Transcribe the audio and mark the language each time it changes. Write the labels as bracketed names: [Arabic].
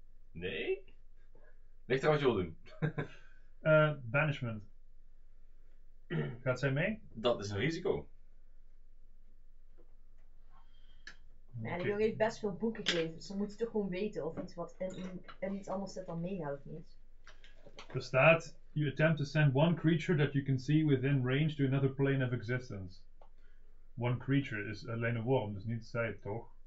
[Dutch] Nee? Ligt er wat je wil doen. banishment. Gaat zij mee? Dat is een risico. Ja, die jongen heeft best veel boeken gelezen, dus dan moet je toch gewoon weten of iets wat in iets anders zit dan meegaat of niet. Er staat, [English] you attempt to send one creature that you can see within range to another plane of existence. [Dutch] One creature is alleen een worm, dus niet zij toch?